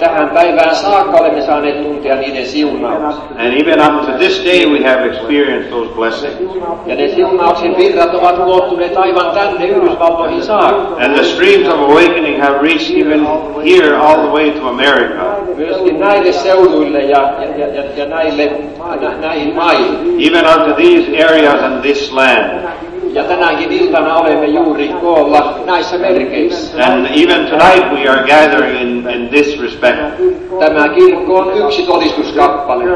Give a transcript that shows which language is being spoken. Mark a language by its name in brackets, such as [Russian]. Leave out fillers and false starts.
[Finnish] tähän päivään saakka olemme saaneet tuntia niiden siunauksia. [English] And even up to this day we have experienced those blessings. [Finnish] Ja ne siunauksen virrat ovat ulottuneet aivan tänne Yhdysvaltoihin saakka. [English] And the streams of awakening have reached even here all the way to America. [Finnish] Myöskin näille seuduille ja näille näihin maihin. [English] Even up to these areas and this land. [Finnish] Ja tänäänkin iltana olemme juuri koolla näissä merkeissä. [English] And even tonight we are gathering in this respect. [Finnish] Tämä kirkko on yksi todistuskappale.